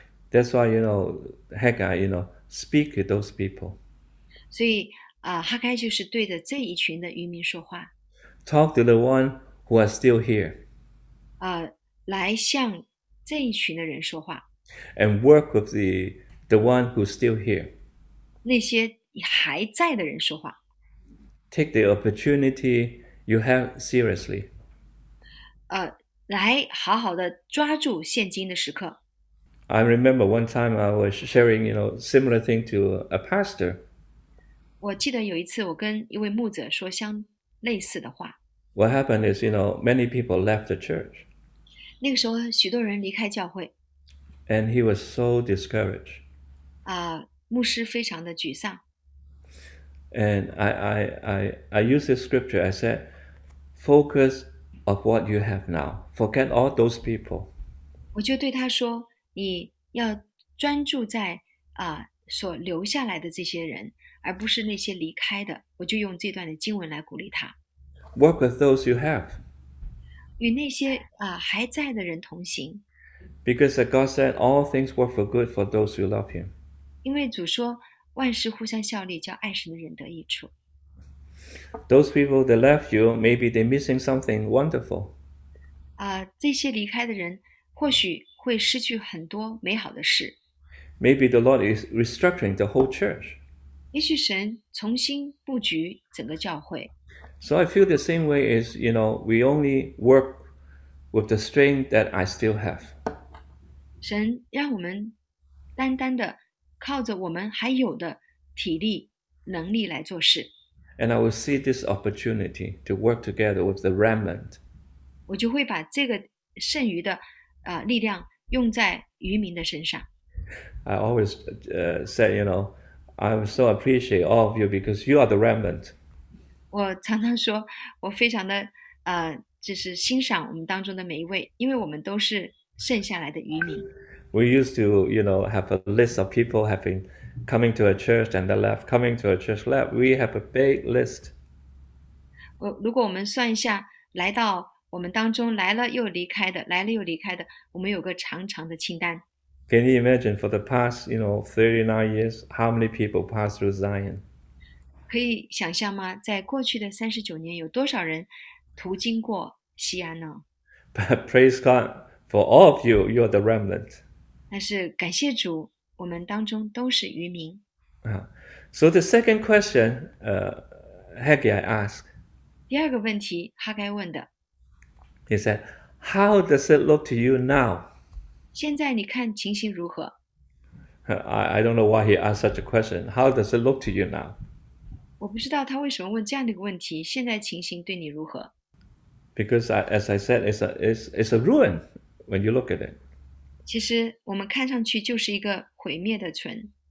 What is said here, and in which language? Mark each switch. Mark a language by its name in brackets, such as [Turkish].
[English] That's why, Haggai, speak to those people. [Chinese] 所以哈该就是对着这一群的渔民说话， [English] Talk to the one who are still here. [Chinese] 来向这一群的人说话， [English] And work with the one who's still here. [Chinese] 那些还在的人说话。 [English] Take the opportunity you have seriously. [Chinese] 来好好的抓住现今的时刻。 [English] I remember one time I was sharing, similar thing to a pastor. [Chinese] 我记得有一次，我跟一位牧者说相类似的话。 [English] What happened is, many people left the church. [Chinese] 那个时候，许多人离开教会。 [English] And he was so discouraged. [Chinese] 牧师非常的沮丧。 [English] And I use this scripture. I said, focus on what you have now. Forget all those people. [Chinese] 我就对他说：“你要专注在所留下来的这些人，而不是那些离开的。” 我就用这段的经文来鼓励他， [English] Work with those you have. [Chinese] 与那些还在的人同行。 [English] Because God said all things work for good for those who love Him. [Chinese] 因为主说：“万事互相效力，叫爱神的人得益处。 [English] Those people that left you, maybe they're missing something wonderful. [Chinese] ”这些离开的人。或许会失去很多美好的事， [English] Maybe the Lord is restructuring the whole church. [Chinese] 也许神重新布局整个教会。 [English] So I feel the same way as, we only work with the strength that I still have. [Chinese] 神让我们单单的靠着我们还有的体力、能力来做事， [English] And I will see this opportunity to work together with the remnant. [Chinese] 我就会把这个剩余的。力量用在渔民的身上。 [English] I always say, I so appreciate all of you because you are the remnant. [Chinese] 我常常说，我非常的就是欣赏我们当中的每一位，因为我们都是剩下来的渔民。 [English] We used to, have a list of people having coming to a church and the left, coming to a church left. We have a big list. [Chinese] 如果我们算一下，来到。我们当中来了又离开的，来了又离开的，我们有个长长的清单。 [English] Can you imagine for the past, 39 years, how many people passed through Zion? [Chinese] 可以想象吗？在过去的39年，有多少人途经过西安呢？ [English] But praise God for all of you, you are the remnant. [Chinese] 但是感谢主，我们当中都是渔民。 [English] So the second question, Haggai asked. [Chinese] 第二个问题，哈该问的。 [English] He said, "How does it look to you now?" [Chinese] 现在你看情形如何？ [English] I don't know why he asked such a question. How does it look to you now? [Chinese] 我不知道他为什么问这样的一个问题，现在情形对你如何？ [English] Because as I said, it's a ruin when you look at it. [Chinese] 其实我们看上去就是一个毁灭的城。